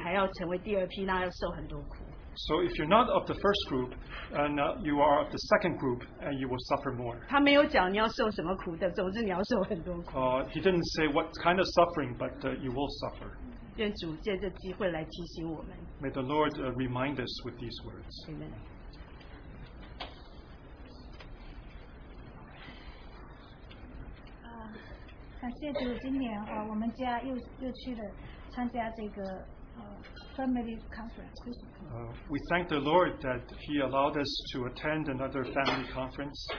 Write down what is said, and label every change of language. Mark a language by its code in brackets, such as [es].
[zh] 所以呢，你不成为那第一批，你还要成为第二批，那要受很多苦。 [en] So if you're not of the first group, and you are of the second group, and you will suffer more. [zh] 他没有讲你要受什么苦的，总之你要受很多苦。 [en] He didn't say what kind of suffering, but you will suffer. [zh] 愿主借这机会来提醒我们。 [en] May the Lord remind us with these words. Amen. We thank the Lord that He allowed us to attend another family conference.